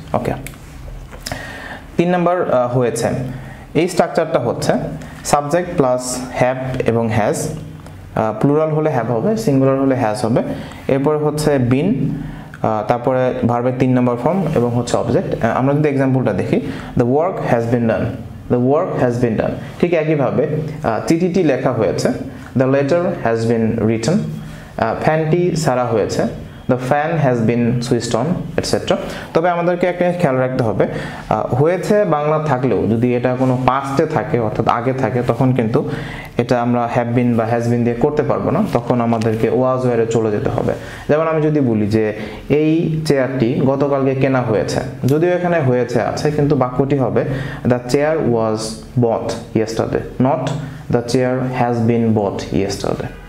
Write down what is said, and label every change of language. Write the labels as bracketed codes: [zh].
[bn] ওকে, তিন নম্বর হয়েছে, এই স্ট্রাকচারটা হচ্ছে সাবজেক্ট প্লাস হ্যাব এবং হ্যাজ, প্লুরাল হলে হ্যাব হবে, সিঙ্গুলার হলে হ্যাজ হবে, এরপরে হচ্ছে বিন, তারপরে ভার্বের তিন নম্বর ফর্ম এবং হচ্ছে অবজেক্ট। আমরা যদি এক্সাম্পলটা দেখি, [en] the work has been done, [bn] the work has been ডান। ঠিক একইভাবে চিঠিটি লেখা হয়েছে, [en] the letter has been written, [bn] ফ্যানটি সারা হয়েছে, [en] the fan has been switched on, etc. [bn] তবে আমাদেরকে একটা খেয়াল রাখতে হবে, হয়েছে বাংলা থাকলেও যদি এটা কোনো পাস্টে থাকে অর্থাৎ আগে থাকে তখন কিন্তু এটা আমরা have been বা has been দিয়ে করতে পারবো না, তখন আমাদেরকে was where চলে যেতে হবে। যেমন আমি যদি বলি যে এই চেয়ারটি গতকালকে কেনা হয়েছে, যদিও এখানে হয়েছে আছে কিন্তু বাক্যটি হবে [en] the chair was bought yesterday, not the chair has been bought yesterday.